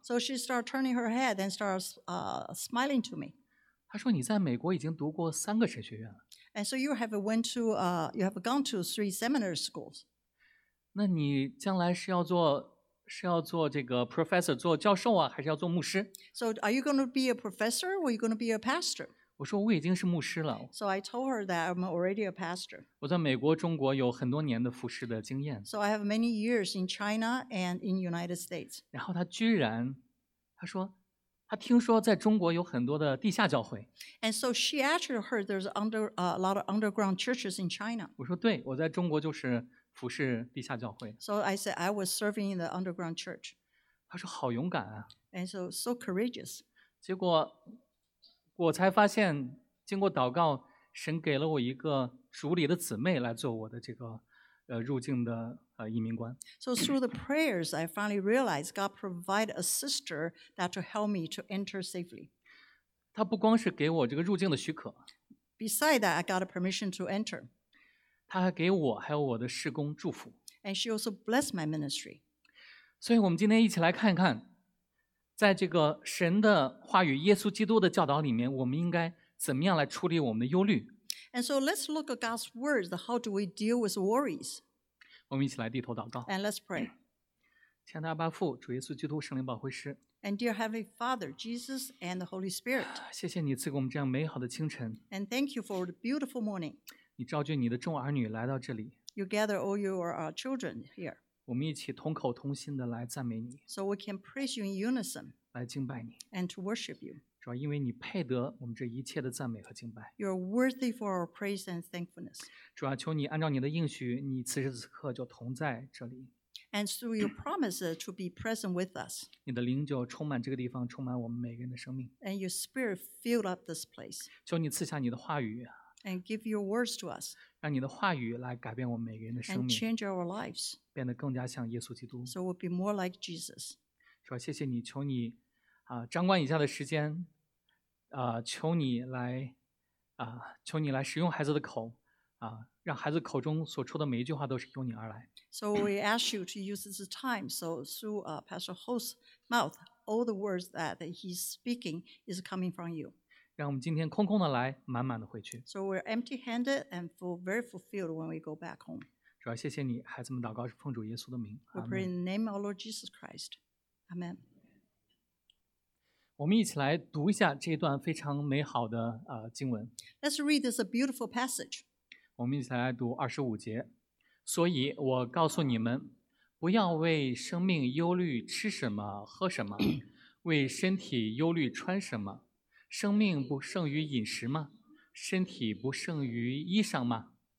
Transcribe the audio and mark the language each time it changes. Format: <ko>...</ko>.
<en>So she started turning her head and started smiling to me.</en> <zh>她说：“你在美国已经读过三个神学院了。</zh> <en>”And so you have gone to three seminary schools.</en> <zh>那你将来是要做这个 professor 做教授啊，还是要做牧师</zh> <en>？So are you going to be a professor or are you going to be a pastor?</en> <zh>我说我已经是牧师了。</zh> <en>So I told her that I'm already a pastor.</en> <zh>我在美国、中国有很多年的服事的经验。</zh> <en>So I have many years in China and in United States.</en> <zh>然后她说她听说在中国有很多的地下教会。</zh> <en>And so she actually heard there's a lot of underground churches in China.</en> <zh>我说对，我在中国就是服事地下教会。</zh> <en>So I said I was serving in the underground church.</en> <zh>她说好勇敢啊。</zh> <en>And so courageous.</en> <zh>结果我才发现，经过祷告，神给了我一个主里的姊妹来做我的这个入境的移民官。</zh> <en>So through the prayers, I finally realized God provided a sister that to help me to enter safely.</en> <zh>他不光是给我这个入境的许可。</zh> <en>Beside that, I got a permission to enter.</en> <zh>他还给我还有我的事工祝福。</zh> <en>And she also blessed my ministry.</en> <zh>所以我们今天一起来看一看。在这个神的话语、耶稣基督的教导里面，我们应该怎么样来处理我们的忧虑</zh> <en>？And so let's look at God's words. How do we deal with worries?</en> <zh>我们一起来低头祷告。</zh> <en>And let's pray.</en> <zh>亲爱的阿爸父，主耶稣基督，圣灵保惠师。</zh> <en>And dear Heavenly Father, Jesus and the Holy Spirit.</en> <zh>谢谢你赐给我们这样美好的清晨。</zh> <en>And thank you for the beautiful morning.</en> <zh>你召聚你的众儿女来到这里。</zh> <en>You gather all your children here.</en> <zh>我们一起同口同心的来赞美你</zh> <en>，so we can praise you in unison，</en> <zh>来敬拜你</zh> <en>，and to worship you。</en> <zh>主要因为你配得我们这一切的赞美和敬拜。</zh> <en>You are worthy for our praise and thankfulness。</en> <zh>主要求你按照你的应许，你此时此刻就同在这里</zh> <en>，and through your promise to be present with us。</en> <zh>你的灵就充满这个地方，充满我们每个人的生命。</zh> <en>And your spirit filled up this place。</en> <zh>求你赐下你的话语。</zh> <en>And give your words to us.</en> <zh>让你的话语来改变我们每个人的生命。</zh> <en>And change our lives.</en> <zh>变得更加像耶稣基督。</zh> <en>So we'll be more like Jesus.</en> <zh>主要谢谢你，求你，掌管以下的时间，求你来啊，求你来使用孩子的口啊，让孩子口中所出的每一句话都是由你而来。</zh> <en>So we ask you to use this time. So through Pastor Ho's mouth, all the words that he's speaking is coming from you.</en> <zh>让我们今天空空的来，满满的回去。</zh> <en>So we're empty-handed and feel very fulfilled when we go back home.</en> <zh>主要谢谢你，孩子们祷告是奉主耶稣的名。</zh> <en>We pray in the name of Lord Jesus Christ. Amen.</en> <zh>我们一起来读一下这一段非常美好的经文。</zh> <en>Let's read this beautiful passage.</en> <zh>我们一起来读二十五节。所以我告诉你们，不要为生命忧虑吃什么喝什么，为身体忧虑穿什么。生命不胜于饮食吗？身体不胜于衣裳吗？</zh>